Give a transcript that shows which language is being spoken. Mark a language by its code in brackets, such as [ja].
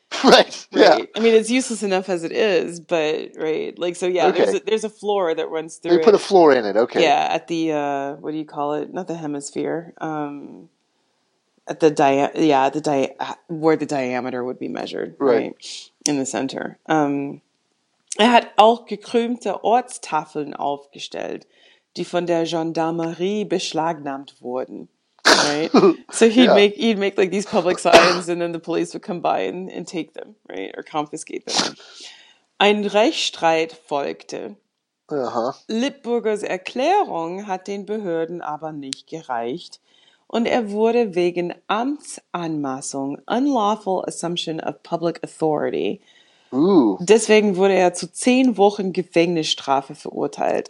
[en] Right. Yeah. I mean, it's useless enough as it is, but right. Like, so yeah, okay. there's a floor that runs through. They put a floor in it. Okay. Yeah. At the, what do you call it? Not the hemisphere. At the where the diameter would be measured. Right. In the center. [de] Er hat auch gekrümmte Ortstafeln aufgestellt, die von der Gendarmerie beschlagnahmt wurden. [en] Right. So he'd make like these public signs and then the police would come by and take them, right? Or confiscate them. [de] Ein Rechtsstreit folgte. Uh-huh. Lipburgers Erklärung hat den Behörden aber nicht gereicht. Und wurde wegen Amtsanmaßung, [en] unlawful assumption of public authority. Ooh. [de] Deswegen wurde zu 10 Wochen Gefängnisstrafe verurteilt.